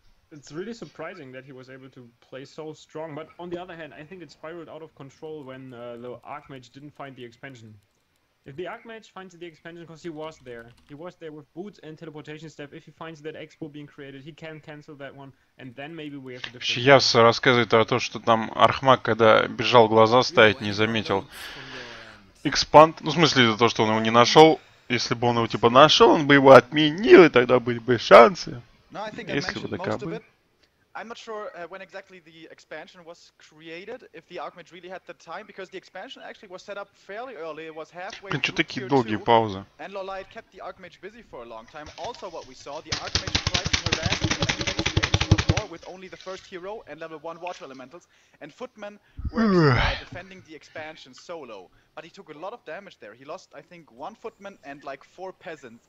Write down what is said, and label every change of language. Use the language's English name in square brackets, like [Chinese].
[English] It's really surprising that he was able to play so strong, but on the other hand, I think it spiraled out of control when the Archmage didn't find the expansion. If the Archmage finds the expansion, because he was there with boots and teleportation step, if he finds that expo being created, he can cancel that one, and then maybe we have a different... [Russian] Yes, рассказывает о том, что там Архмаг, когда бежал глаза ставить, не заметил. Экспанд, ну в смысле, это то, что он его не нашел. Если бы он его типа нашел, он бы его отменил, и тогда были бы шансы. [English] No, I think I mentioned most of it. I'm not sure when exactly the expansion was created, if the Archmage really had the time, because the expansion actually was set up fairly early, it was halfway [Russian] Блин, [English] through tier [Russian] 2, паузы. [English] And Lolight kept the Archmage busy for a long time. Also what we saw, the Archmage tried to harass with only the first hero and level 1 water elementals, and footmen were defending the expansion solo, but he took a lot of damage there. He lost, I think, one footman and like 4 peasants.